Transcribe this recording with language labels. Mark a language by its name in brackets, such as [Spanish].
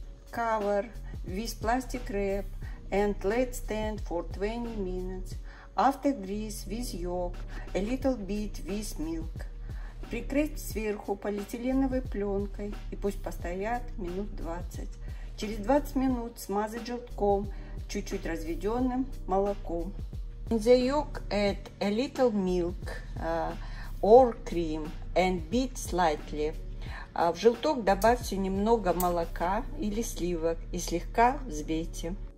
[English] cover with plastic wrap and let stand for 20 minutes. After this, with yolk, a little bit with milk. [Russian] Прикрыть сверху полиэтиленовой пленкой и пусть постоят минут 20. Через 20 минут смазать желтком, чуть-чуть разведенным молоком. [English] In the yolk, add a little milk or cream and beat slightly. [Russian] В желток добавьте немного молока или сливок и слегка взбейте.